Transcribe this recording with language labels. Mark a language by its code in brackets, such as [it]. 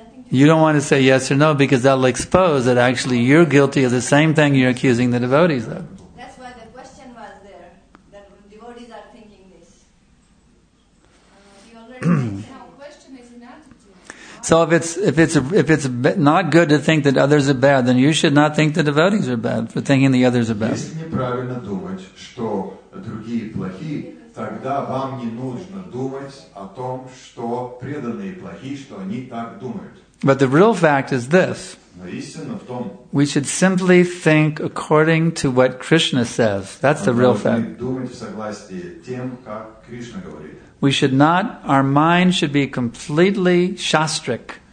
[en] You don't want to say yes or no because that'll expose that actually you're guilty of the same thing you're accusing the devotees of. That's why the question was there, that devotees are thinking this. Question is an attitude. So if it's not good to think that others are bad, then you should not think the devotees are bad for thinking the others are bad. [ru] Если неправильно думать, что другие плохие, тогда вам не нужно думать о том, что преданные плохие, что они так думают. [en] But the real fact is this. Том, we should simply think according to what Krishna says. That's the real fact. Тем, we should not, our mind should be completely shastric.